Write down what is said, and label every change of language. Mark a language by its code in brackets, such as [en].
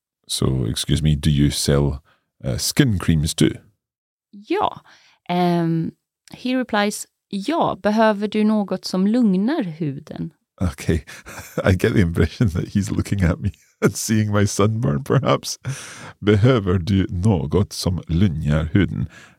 [en] So, excuse me, do you sell skin creams too? [sv] Ja. [en] He replies, [sv] ja, behöver du något som lugnar huden? [en] Okay, I get the impression that he's looking at me and seeing my sunburn, perhaps. [sv] Behöver du något som lugnar huden?